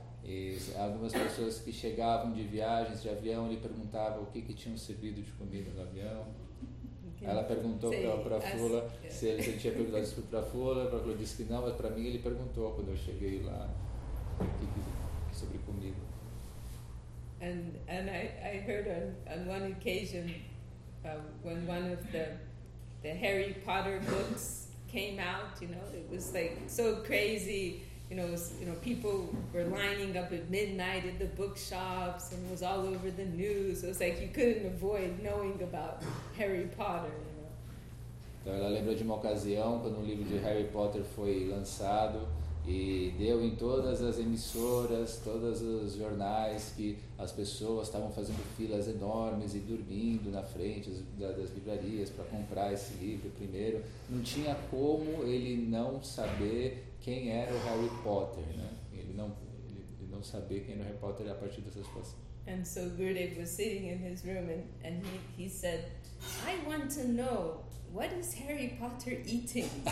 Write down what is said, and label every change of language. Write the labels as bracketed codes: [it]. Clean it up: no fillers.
[pt] E algumas pessoas que chegavam de viagens de avião lhe perguntavam o que tinham servido de comida no avião. Ela perguntou para [en] Say, ask. [pt] Fula se ele tinha perguntado isso para Fula. Para Fula disse que não, mas para mim ele perguntou quando eu cheguei lá sobre comida. [en] And I heard on one occasion, when one of the Harry Potter books came out, you know, it was like so crazy, you know, it was, you know, people were lining up at midnight at the bookshops, and it was all over the news. It was like you couldn't avoid knowing about Harry Potter, you know. [pt] lembra de uma ocasião quando um livro de Harry Potter foi lançado e deu em todas as emissoras, todos os jornais, que as pessoas estavam fazendo filas enormes e dormindo na frente das livrarias para comprar esse livro primeiro. Não tinha como ele não saber quem era o Harry Potter, né? Ele não saber quem era o Harry Potter a partir dessa situação. [en] And so Gurudev was sitting in his room and he said, I want to know, what is Harry Potter eating?